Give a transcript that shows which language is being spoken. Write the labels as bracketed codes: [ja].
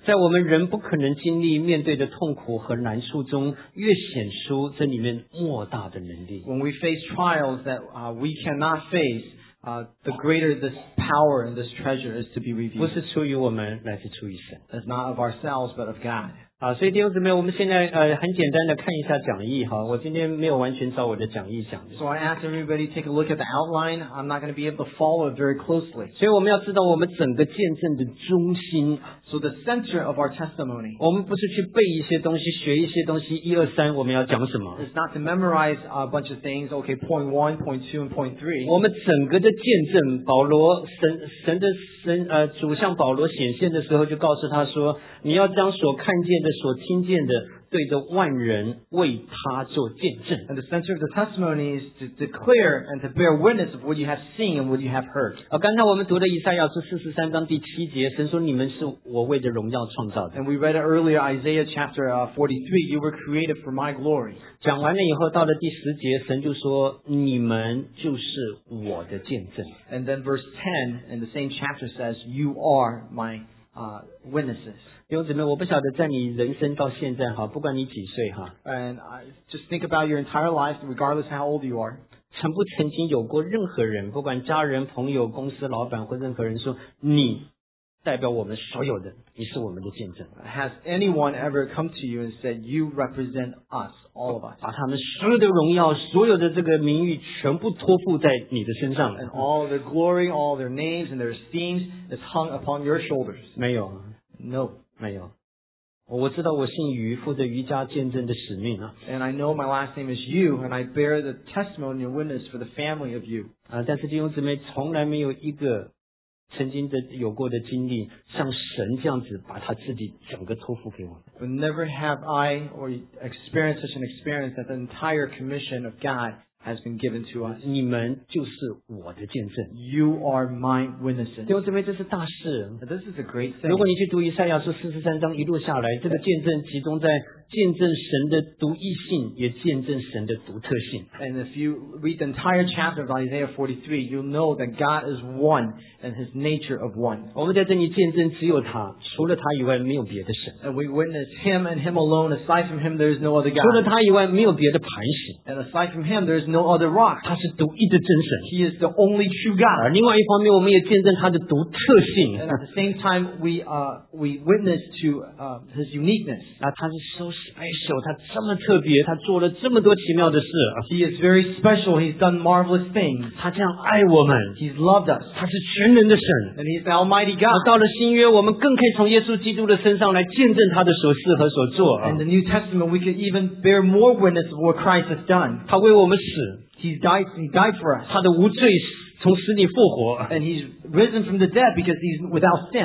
[zh] 在我们人不可能经历面对的痛苦和难处中，越显出这里面莫大的能力。 [en] When we face trials that we cannot face, the greater this power and this treasure is to be revealed. [zh] 不是出于我们，乃是出于神。 [en] It's not of ourselves, but of God. [zh] 好，所以弟兄姊妹，我们现在很简单的看一下讲义哈。我今天没有完全照我的讲义讲。 [en] So I ask everybody take a look at the outline. I'm not going to be able to follow it very closely. [zh] 所以我们要知道我们整个见证的中心。 [en] So the center of our testimony. [zh] 我们不是去背一些东西，学一些东西，一二三，我们要讲什么 [en] ？It's not to memorize a bunch of things. Okay, point one, point two, and point three. [zh] 我们整个的见证，保罗神的主向保罗显现的时候，就告诉他说，你要将所看见的。所听见的对着万人为他做见证。 [en] And the center of the testimony is to declare and to bear witness of what you have seen and what you have heard. [zh] 刚才我们读的以赛亚书43章第7节，神说你们是我为着荣耀创造的。 [en] And we read earlier Isaiah chapter 43, you were created for my glory. [zh] 讲完了以后到了第10节，神就说你们就是我的见证。 [en] And then verse 10 in the same chapter says, you are my witnesses. [zh] 弟兄姊妹，我不晓得在你人生到现在哈，不管你几岁哈 [en] ，and I just think about your entire life, regardless how old you are, [zh] 曾不曾经有过任何人，不管家人、朋友、公司老板或任何人说你代表我们所有的，你是我们的见证。 [en] Has anyone ever come to you and said you represent us, all of us? [zh] 把他们所有的荣耀、所有的这个名誉全部托付在你的身上。 [en] And all their glory, all their names and their esteems is hung upon your shoulders. [zh] 没有 [en] ，No. [zh] 没有，我知道我姓余，负责余家见证的使命啊。 [en] And I know my last name is Yu, and I bear the testimony and witness for the family of Yu. [zh] 啊，但是弟兄姊妹，从来没有一个曾经的有过的经历，像神这样子把他自己整个托付给我。 [en] But never have I or experienced such an experience that the entire commission of God has been given to us. [zh] 你们就是我的见证。 [en] You are my witnesses. [zh] 弟兄姊妹，这是大事。 [en] This is a great thing. [zh] 如果你去读以赛亚书43章一路下来，这个见证集中在见证神的独一性，也见证神的独特性。 [en] And if you read the entire chapter of Isaiah 43, you'll know that God is one and his nature of one. [zh] 我们在这里见证只有他，除了他以外没有别的神。 [en] And we witness him and him alone. Aside from him, there is no other God. [zh] 除了他以外没有别的磐石。 [en] And aside from him, there is no other rock. [zh] 他是独一的真神。 [en] He is the only true God. [zh] 另外一方面，我们也见证他的独特性。 [en] And at the same time, we witness to his uniqueness. [zh] 他是说special, 他这么特别，他做了这么多奇妙的事。 [en] He is very special. He's done marvelous things. [zh] 他这样爱我们。 [en] He's loved us. [zh] 他是全能的神。 [en] And he's the Almighty God. [zh] 到了新约，我们更可以从耶稣基督的身上来见证他的所事和所做。 [en] In the New Testament, we can even bear more witness of what Christ has done. [zh] 他为我们死。 [en] He died for us. [zh] 他的无罪死。从死里复活 [en] and he's risen from the dead because he's without sin.